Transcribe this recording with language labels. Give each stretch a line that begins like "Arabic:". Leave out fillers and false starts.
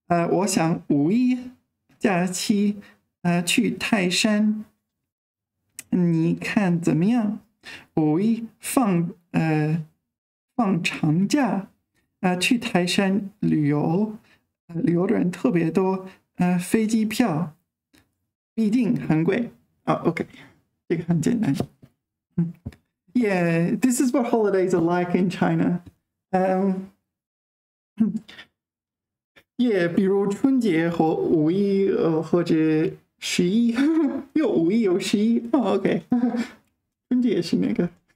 Chinese: 我想五一假期去泰山你看怎么样？五一放长假去泰山旅游。旅游的人特别多，飞机票必定很贵啊。 Oh, OK， 这个很简单。
English: Yeah, this is what holidays are like in China.
Chinese: Yeah, 比如春节和五一，或者十一，又五一又十一。 Oh, OK， 春节是那个。